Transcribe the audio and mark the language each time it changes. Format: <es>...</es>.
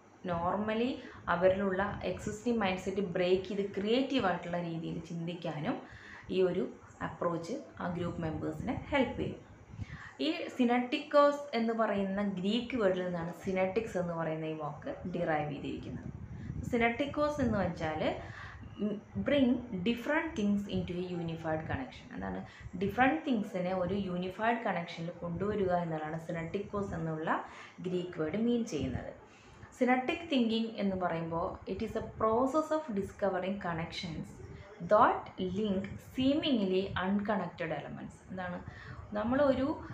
<ml>Normally അവരിലുള്ള existing mind set break ചെയ്ത് ക്രിയേറ്റീവായിട്ടുള്ള രീതിയിൽ ചിന്തിക്കാനും ഈ ഒരു അപ്രോച്ച് ആ ഗ്രൂപ്പ് മെമ്പേഴ്സിനെ ഹെൽപ്പ് ചെയ്യും. ഈ സിനറ്റിക്കോസ് എന്ന് പറയുന്ന ഗ്രീക്ക് വേർഡിൽ നിന്നാണ് സിനറ്റിക്സ് എന്ന് പറയുന്ന ഈ വാക്ക് ഡിറൈവ് ചെയ്തിരിക്കുന്നത്.</ml> <en>സിനറ്റിക്കോസ് എന്ന് വെച്ചാൽ bring different things into a unified connection.</en> <ml>അതാണ് ഡിഫറെൻറ്റ് തിങ്സിനെ ഒരു യൂണിഫൈഡ് കണക്ഷനിൽ കൊണ്ടുവരിക എന്നുള്ളതാണ് സിനറ്റിക്കോസ് എന്നുള്ള ഗ്രീക്ക് വേർഡ് മീൻ ചെയ്യുന്നത്.</ml> <en>Synectic thinking എന്ന് പറയുമ്പോൾ it is a process of discovering connections that link seemingly unconnected elements. എന്താണ് നമ്മളൊരു</en>